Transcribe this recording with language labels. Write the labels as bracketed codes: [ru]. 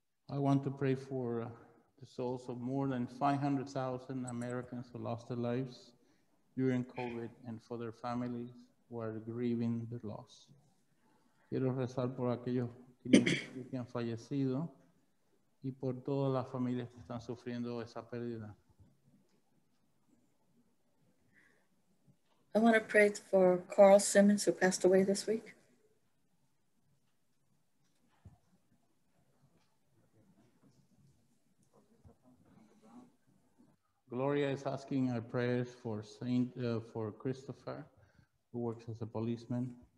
[en] I want to pray for the souls of more than 500,000 Americans who lost their lives during COVID and for their families who are grieving their loss. [es] Quiero rezar por aquellos que que han fallecido y por todas las familias que están sufriendo esa pérdida. [en] I want to pray for Carl Simmons, who passed away this week. Gloria is asking our prayers for Saint for Christopher, who works as a policeman.